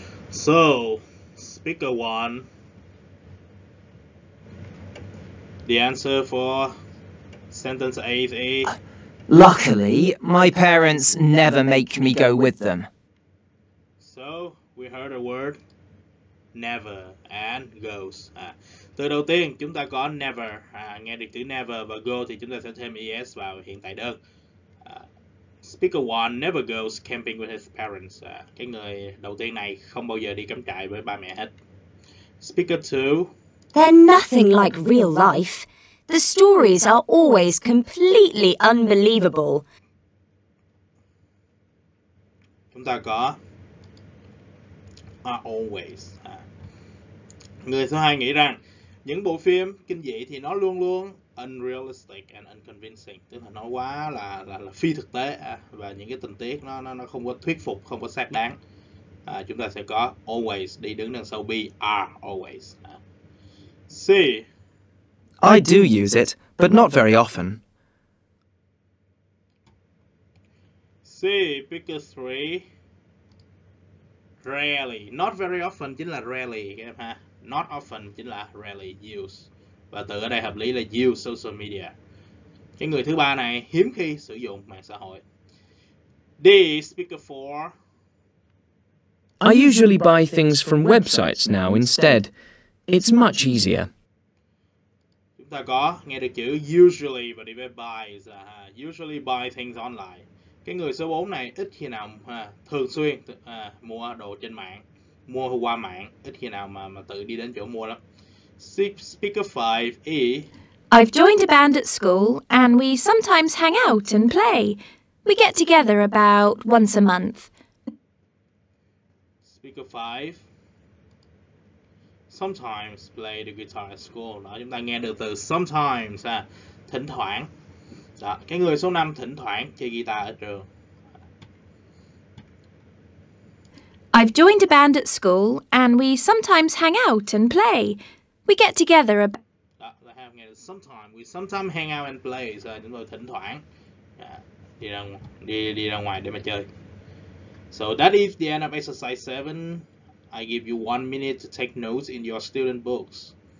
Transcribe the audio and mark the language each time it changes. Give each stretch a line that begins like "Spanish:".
English: So, speaker one, the answer for sentence A is A. Luckily, my parents never make me go with them. So, we heard a word, never, and goes.
Vietnamese: Từ đầu tiên, chúng ta có never. Nghe được chữ never và go thì chúng ta sẽ thêm es vào hiện tại đơn.
English: Speaker 1 never goes camping with his parents.
Vietnamese: Cái người đầu tiên này không bao giờ đi cắm trại với ba mẹ hết.
English: Speaker 2. They're nothing like real life. The stories are always completely unbelievable.
Vietnamese: Chúng ta có
English: are always.
Vietnamese: Người thứ hai nghĩ rằng những bộ phim kinh dị thì nó luôn luôn
English: unrealistic and unconvincing,
Vietnamese: tức là nó quá là phi thực tế và những cái tình tiết nó không có thuyết phục, không có xác đáng. Chúng ta sẽ có always đi đứng đằng sau be,
English: are always. C. I do use it, but not very often. C, pick a three.
Vietnamese: Rarely,
English: not very often
Vietnamese: chính là rarely, các em ha.
English: Not often
Vietnamese: chính là rarely use. Và từ ở đây hợp lý là
English: use social media.
Vietnamese: Cái người thứ ba này hiếm khi sử dụng mạng xã hội.
English: D, speaker 4. I usually buy things from websites now instead. It's much easier.
Vietnamese: Chúng ta có nghe được chữ usually và đi với buy là
English: usually buy things online.
Vietnamese: Cái người số 4 này ít khi nào thường xuyên mua đồ trên mạng, mua qua mạng, ít khi nào mà tự đi đến chỗ mua lắm.
English: Speaker 5, E. I've joined a band at school and we sometimes hang out and play. We get together about once a month. Speaker 5. Sometimes play the guitar at school.
Vietnamese: Đó, chúng ta nghe được từ sometimes, thỉnh thoảng. Đó, cái người số 5 thỉnh thoảng chơi guitar ở trường.
English: I've joined a band at school and we sometimes hang out and play. We get together sometimes. We sometimes hang out and play.
Vietnamese: So, chúng tôi thỉnh thoảng đi ra ngoài để mà chơi.
English: So that is the end of exercise 7. I give you 1 minute to take notes in your student books.